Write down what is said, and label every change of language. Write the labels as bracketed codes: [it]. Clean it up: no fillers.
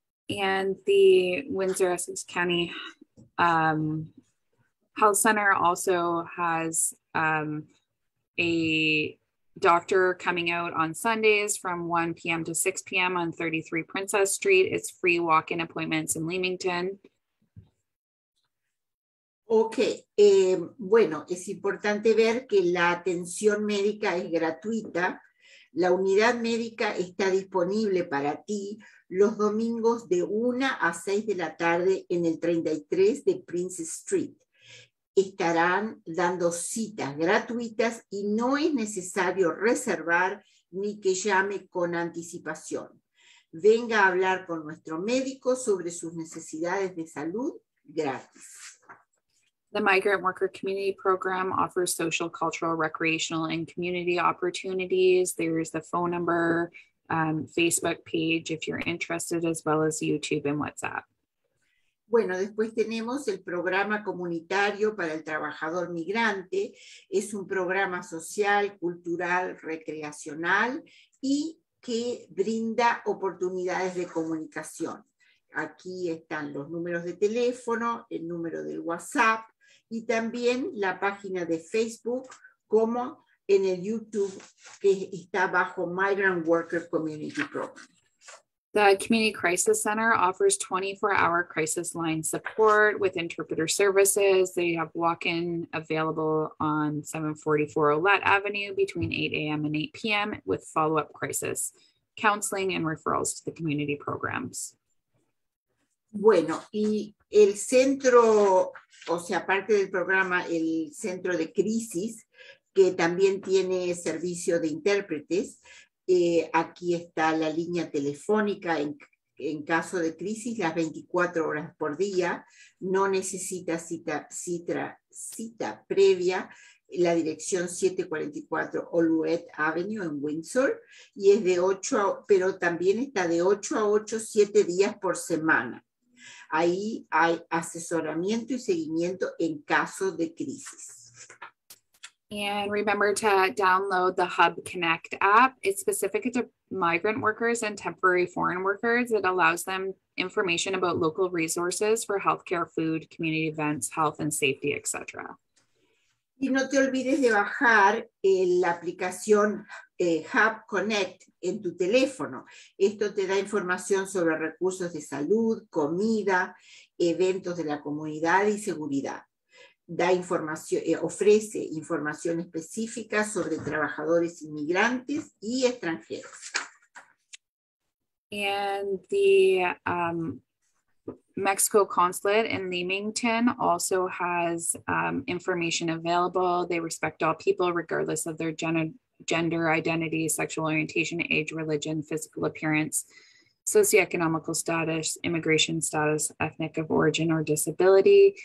[en] And the Windsor Essex County Health Center also has a doctor coming out on Sundays from 1 p.m. to 6 p.m. on 33 Princess Street. It's free walk-in appointments in Leamington. Okay. [es] Bueno, es importante ver que la atención médica es gratuita. La unidad médica está disponible para ti los domingos de 1 a 6 de la tarde en el 33 de Princess Street. Estarán dando citas gratuitas y no es necesario reservar ni que llame con anticipación. Venga a hablar con nuestro médico sobre sus necesidades de salud gratis. [en] The Migrant Worker Community Program offers social, cultural, recreational, and community opportunities. There is the phone number, Facebook page if you're interested, as well as YouTube and WhatsApp. [es] Bueno, después tenemos el programa comunitario para el trabajador migrante. Es un programa social, cultural, recreacional y que brinda oportunidades de comunicación. Aquí están los números de teléfono, el número del WhatsApp y también la página de Facebook, como en el YouTube que está bajo Migrant Worker Community Program. [en] The Community Crisis Center offers 24-hour crisis line support with interpreter services. They have walk-in available on 744 Olette Avenue between 8 a.m. and 8 p.m. with follow-up crisis counseling and referrals to the community programs. [es] Bueno, y el centro, o sea, aparte del programa, el centro de crisis, que también tiene servicio de intérpretes, aquí está la línea telefónica en caso de crisis las 24 horas por día. No necesita cita previa. la dirección 744 Olivet Avenue en Windsor, y es de 8 a, pero también está de 8 a 8, 7 días por semana. Ahí hay asesoramiento y seguimiento en caso de crisis. [en] And remember to download the Hub Connect app. It's specific to migrant workers and temporary foreign workers. It allows them information about local resources for healthcare, food, community events, health and safety, etc. [es] Y no te olvides de bajar la aplicación Hub Connect en tu teléfono. Esto te da información sobre recursos de salud, comida, eventos de la comunidad y seguridad. Da información, ofrece información específica sobre trabajadores inmigrantes y extranjeros. [en] And the Mexico Consulate in Leamington also has information available. They respect all people regardless of their gender identity, sexual orientation, age, religion, physical appearance, socioeconomical status, immigration status, ethnic of origin or disability.